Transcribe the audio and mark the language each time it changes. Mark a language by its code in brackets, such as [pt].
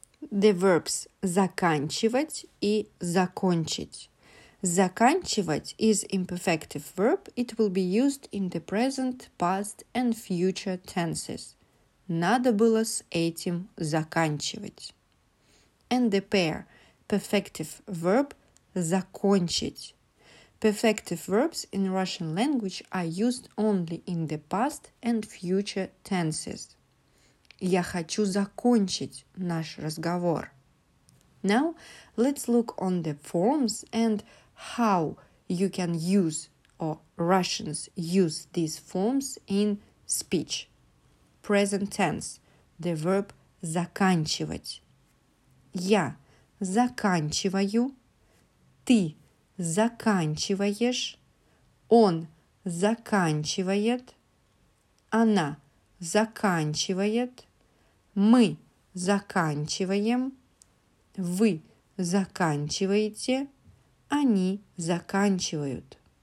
[en] The verbs заканчивать и закончить. Заканчивать is imperfective verb. It will be used in the present, past and future tenses. [ru] Надо было с этим заканчивать. [en] And the pair, perfective verb, закончить. Perfective verbs in Russian language are used only in the past and future tenses. [ru] Я хочу закончить наш разговор. [en] Now, let's look on the forms and how you can use, or Russians use, these forms in speech. Present tense, the verb заканчивать. [ru] Я заканчиваю, ты заканчиваешь, он заканчивает, она заканчивает, мы заканчиваем, вы заканчиваете, они заканчивают.